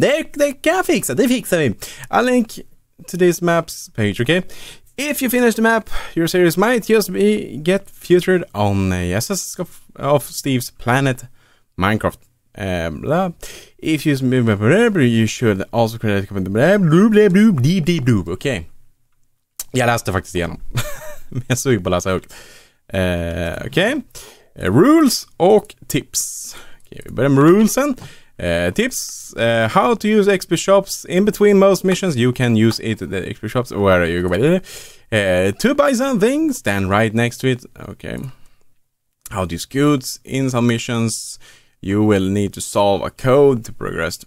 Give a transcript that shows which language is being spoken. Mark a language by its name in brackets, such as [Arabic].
[English] They can fix it. They fix it. A link to this map's page, okay? If you finish the map, your series might just be get featured on SS of Steve's Planet Minecraft. Blah. If you remember, you should also create a comment. Blah, blah, blah, blah, blah, blah, blah, blah. Okay. [Swedish] Jag läste faktiskt igenom. Men jag såg på att läsa högt. Okay. Rules och tips. Okay, vi börjar med rulesen. [English] Tips. How to use XP shops in between most missions. You can use it at the XP shops. Where are you going? To buy something, stand right next to it. Okay. How to use goods in some missions. You will need to solve a code to progress.